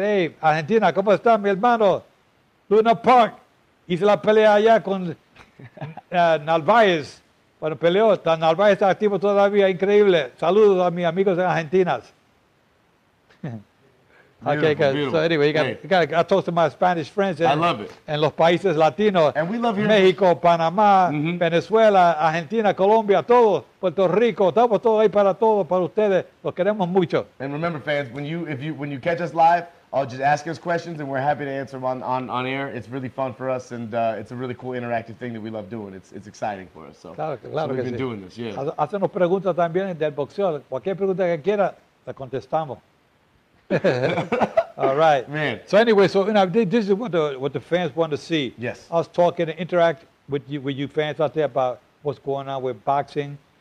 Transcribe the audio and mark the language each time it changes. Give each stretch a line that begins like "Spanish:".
Spanish: Hey, Argentina, ¿cómo está, mi hermano? Luna Park. Hice la pelea allá con Narváez. Bueno, peleó. Narváez está activo todavía. Increíble. Saludos a mis amigos de Argentina.
English: Okay, so anyway, I talk to my Spanish friends. I love it. And
Spanish: los países latinos.
English: And we love hearing Mexico, Panamá, mm-hmm.
Spanish: Venezuela, Argentina, Colombia, todo, Puerto Rico. Estamos todos ahí para todos, para ustedes. Los queremos mucho.
English: And remember, fans, when you catch us live, I'll just ask us questions, and we're happy to answer them on air. It's really fun for us, and it's a really cool interactive thing that we love doing. It's exciting for us. So we've been doing this.
Spanish: Hacemos preguntas también del boxeo. Cualquier pregunta que quiera, la contestamos.
English: All right. Man. So this is what the fans want to see. Yes. Us talking and interact with you fans out there about what's going on with boxing.